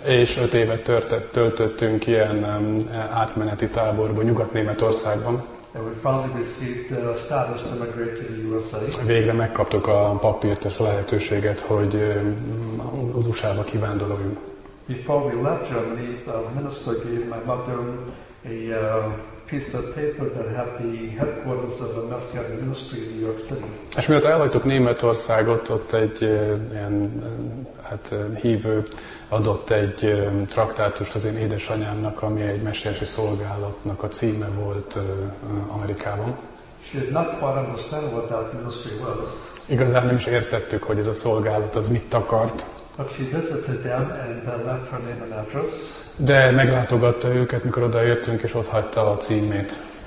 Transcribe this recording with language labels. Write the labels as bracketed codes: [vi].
[hu] És 5 évet töltöttünk ilyen átmeneti táborban Nyugat-Németországban. [en] And we finally received the status to migrate to the USA. [hu] Végre megkaptuk a papírt és lehetőséget, hogy az USA-ba kivándoroljunk. [en] Before we left Germany, the minister gave my mother a piece of paper that had the headquarters of the Messiah Ministry in New York City. [hu] És mielőtt elhagytuk Németországot, ott egy ilyen, hát hívő adott egy traktátust az én édesanyámnak, ami egy messiási szolgálatnak a címe volt Amerikában. [en] She did not quite understand what that ministry was. [hu] Igazán nem is értettük, hogy ez a szolgálat az mit akart. [en] But she visited them and left her name and address. [hu] De meglátogatta őket, mikor odaértünk, és ott hagyta a címét.